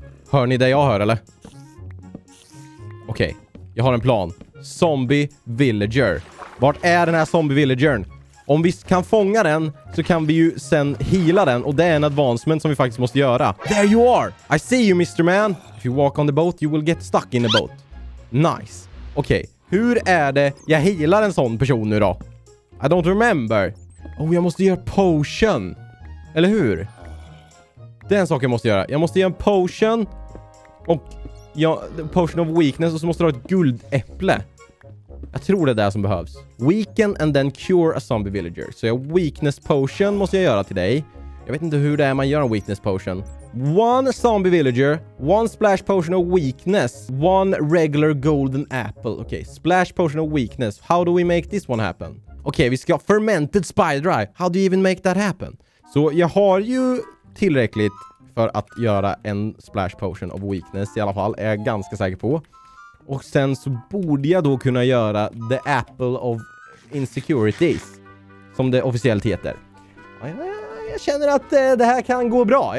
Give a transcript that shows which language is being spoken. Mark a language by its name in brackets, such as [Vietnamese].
[Swedish] Hör ni det jag hör eller? Okej. Okay. Jag har en plan. [English] Zombie villager. [Swedish] Vart är den här zombie villagern? Om vi kan fånga den så kan vi ju sen heala den. Och det är en advancement som vi faktiskt måste göra. [English] There you are. I see you, Mr. Man. If you walk on the boat you will get stuck in the boat. [Swedish] Nice. Okej. Okay. Hur är det jag healar en sån person nu då? [English] I don't remember. [Swedish] Oh, jag måste göra potion. Eller hur? Det är en sak jag måste göra. Jag måste göra en potion. Och ja, potion of weakness. Och så måste jag ha ett guldäpple. Jag tror det är det som behövs. [English] Weaken and then cure a zombie villager. [Swedish] Så jag weakness potion måste jag göra till dig. Jag vet inte hur det är man gör en weakness potion. [English] One zombie villager. One splash potion of weakness. One regular golden apple. Okej, okay. Splash potion of weakness. How do we make this one happen? Okej, okay, [Swedish] vi ska ha [English] fermented spider eye. How do you even make that happen? [Swedish] Så jag har ju tillräckligt för att göra en splash potion of weakness i alla fall. Är jag ganska säker på. Och sen så borde jag då kunna göra [English] the apple of insecurities. [Swedish] Som det officiellt heter. Jag känner att det här kan gå bra.